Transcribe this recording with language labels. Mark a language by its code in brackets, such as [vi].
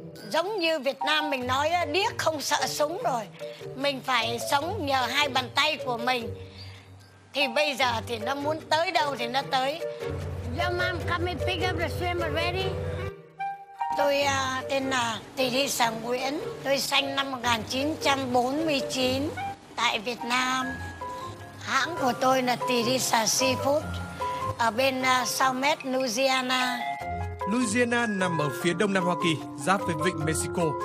[vi] Giống như Việt Nam mình nói, điếc không sợ súng rồi. Mình phải sống nhờ hai bàn tay của mình. Thì bây giờ thì nó muốn tới đâu thì nó tới. [en] Your mom come and pick up the shrimp already? [vi] Tôi tên là Tỷ Thị Sở Nguyễn. Tôi sinh năm 1949 tại Việt Nam. Hãng của tôi là Tỷ Thị Sở Seafood ở bên South Med, Louisiana. Louisiana nằm ở phía đông nam Hoa Kỳ, giáp với vịnh Mexico.